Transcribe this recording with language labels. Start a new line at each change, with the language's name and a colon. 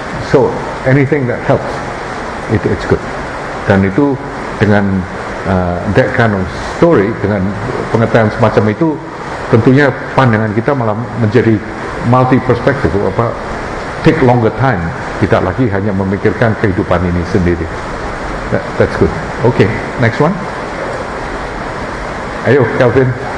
English: So, anything that helps, it's good.
Indonesian: Dan itu dengan
English: that kind of story,
Indonesian: dengan pengetahuan semacam itu, tentunya pandangan kita malah menjadi multi perspective, apa
English: take longer time,
Indonesian: tidak lagi hanya memikirkan kehidupan ini sendiri.
English: That's good. Okay, next one.
Indonesian: Ayo,
English: Calvin.